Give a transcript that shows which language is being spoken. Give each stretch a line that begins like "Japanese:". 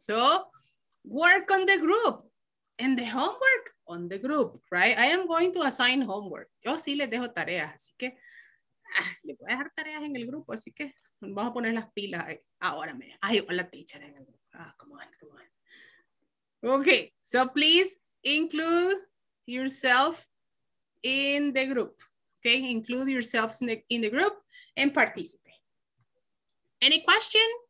English: So work on the group and the homework on the group, right? I am going to assign homework.
Spanish: Yo sí les dejo tareas, así que le voy a dejar tareas en el grupo, así que vamos a poner las pilas ahí. Ahora me. Ay, hola teacher en el grupo. Ah,
English: come on. Okay, so please include yourself in the group. Okay, include yourselves in the group and participate. Any question?